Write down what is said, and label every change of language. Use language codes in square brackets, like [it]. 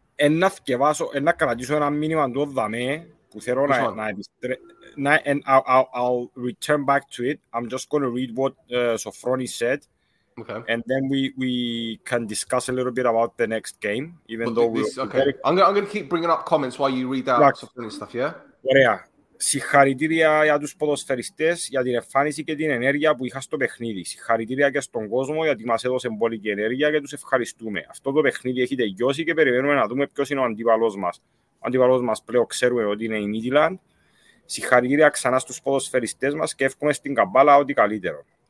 [el] Να θυκευάσω, να κρατήσω ένα μήνυμα του δαμέ που θέλω να επιστρέψω. [en] I'll return back to it. I'm just going to read what Sofroni said. Okay. And then we can discuss a little bit about the next game, I'm going to keep bringing up comments while you read out some funny stuff, yeah? [el] Ωραία. Συγχαρητήρια για τους ποδοσφαιριστές, για την εμφάνιση και την ενέργεια που είχα στο παιχνίδι. Συγχαρητήρια και στον κόσμο γιατί μας έδωσε πολύ και ενέργεια και τους ευχαριστούμε. Αυτό το παιχνίδι έχει τελειώσει και περιμένουμε να δούμε ποιος είναι ο αντίπαλός μας. Ο αντίπαλός μας πλέον ξέρουμε ότι είναι η Μίτιλαντ. Συγχαρητήρια ξανά στους ποδοσφαιριστές μας και εύχομαι στην Καμπάλα ό,τι καλύτερο.